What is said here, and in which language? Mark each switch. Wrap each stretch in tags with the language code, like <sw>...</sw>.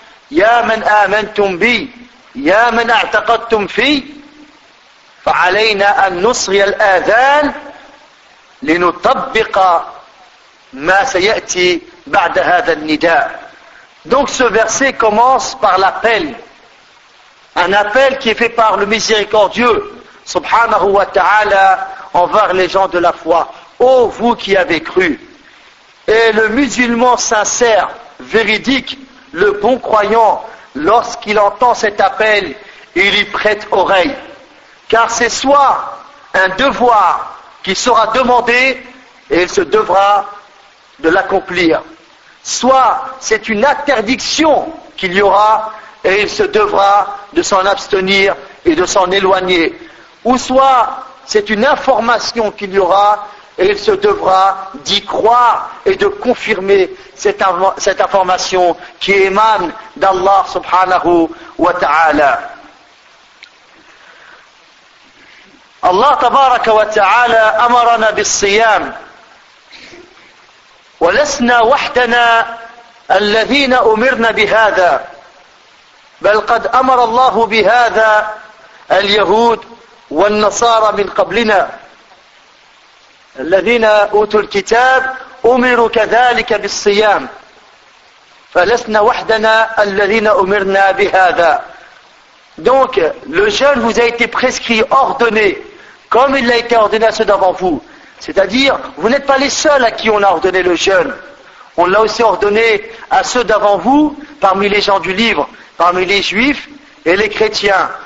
<ar>يا من آمنتم بي يا من اعتقدتم في فعلينا أن نصغي الآذان لنطبق ما سيأتي بعد هذا النداء.</ar> <fr>Donc ce verset commence par l'appel, un appel qui est fait par le miséricordieux subhanahu wa ta'ala envers les gens de la foi. Ô vous qui avez cru, et le musulman sincère, véridique, le bon croyant, lorsqu'il entend cet appel, il y prête oreille, car c'est soit un devoir qui sera demandé et il se devra de l'accomplir. Soit c'est une interdiction qu'il y aura et il se devra de s'en abstenir et de s'en éloigner. Ou soit c'est une information qu'il y aura et il se devra d'y croire et de confirmer cette information qui émane d'Allah subhanahu wa ta'ala.</fr> <ar>Allah تبارك وتعالى أمرنا بالصيام ولسنا وحدنا الذين أمرنا بهذا بل قد أمر الله بهذا اليهود والنصارى من قبلنا الذين أوتوا الكتاب أمروا كذلك بالصيام فلسنا وحدنا الذين أمرنا بهذا.</ar> <fr>Donc le jeûne vous a été prescrit, ordonné comme il l'a été ordonné à ceux d'avant vous. C'est-à-dire, vous n'êtes pas les seuls à qui on a ordonné le jeûne. On l'a aussi ordonné à ceux d'avant vous, parmi les gens du livre, parmi les juifs et les chrétiens.</fr>